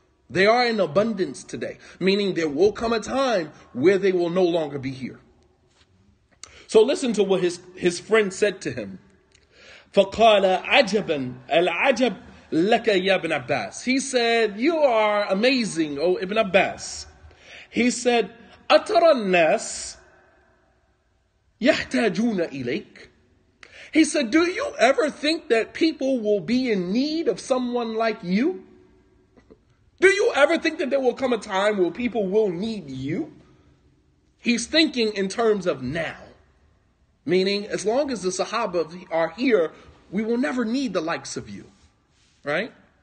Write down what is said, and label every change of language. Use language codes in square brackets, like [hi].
[en] They are in abundance today, meaning there will come a time where they will no longer be here. So listen to what his friend said to him. [ar] فَقَالَ عَجَبًا الْعَجَبْ لَكَ يَا ابْنَ عَبَّاسِ. [en] He said, you are amazing, O Ibn Abbas. He said, [ar] أَتَرَى النَّاسِ يَحْتَاجُونَ إِلَيْكَ. [en] He said, do you ever think that people will be in need of someone like you? Do you ever think that there will come a time where people will need you? He's thinking in terms of now. Meaning, as long as the Sahaba are here, we will never need the likes of you. Right?